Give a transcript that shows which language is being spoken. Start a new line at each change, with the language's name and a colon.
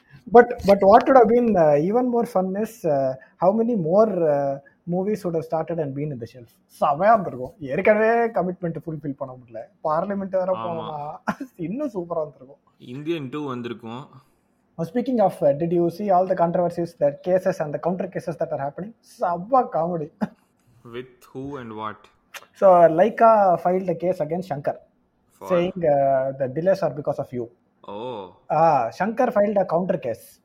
English: But what would have been even more fun is how many more movies would have started and been in the shelf.
Tamil: சமயம் இருக்கும், ஏற்கனவே commitment fulfil பண்ண முடியல, parliament வேற போனா இன்னும் சூப்பரா இருந்திருக்கும். இந்தியன் 2 வந்திருக்கும்.
English: Speaking of, did you see all the controversies, the cases and the counter cases that are happening? Sabha comedy. With who and what? So, Laika filed a case against Shankar. For? Saying the delays are because of you. Oh. Shankar filed a counter case.